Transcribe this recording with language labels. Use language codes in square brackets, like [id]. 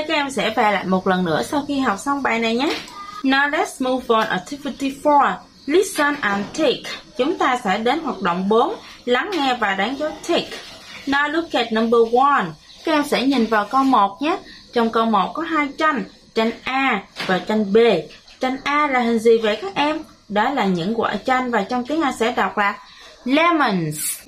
[vi] Sẽ về lại một lần nữa sau khi học xong bài này nhé. [en] Now let's move on activity 4. Listen and tick. [vi] Chúng ta sẽ đến hoạt động 4, lắng nghe và đánh dấu tick. [en] Now look at number 1. [vi] Các em sẽ nhìn vào câu 1 nhé. Trong câu 1 có hai tranh, tranh A và tranh B. Tranh A là hình gì vậy các em? Đó là những quả chanh và trong tiếng Anh sẽ đọc là lemons.